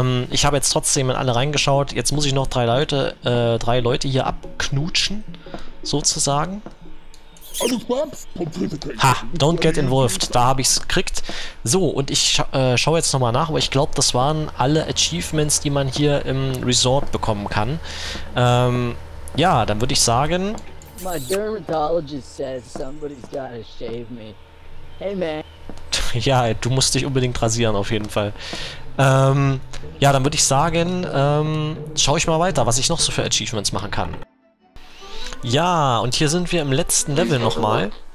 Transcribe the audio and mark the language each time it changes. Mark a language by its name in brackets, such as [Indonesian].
[German] Ich habe jetzt trotzdem in alle reingeschaut. Jetzt muss ich noch drei Leute hier abknutschen, sozusagen. Ha, [English] don't get involved, [German] da habe ich es gekriegt. So, und ich schaue jetzt nochmal nach, aber ich glaube, das waren alle Achievements, die man hier im Resort bekommen kann. Ja, dann würde ich sagen... [English] My dermatologist says somebody's gotta shave me. Hey man. [German] Ja, du musst dich unbedingt rasieren, auf jeden Fall. Ja, dann würde ich sagen, schaue ich mal weiter, was ich noch so für Achievements machen kann. Ja, und hier sind wir im letzten Level nochmal.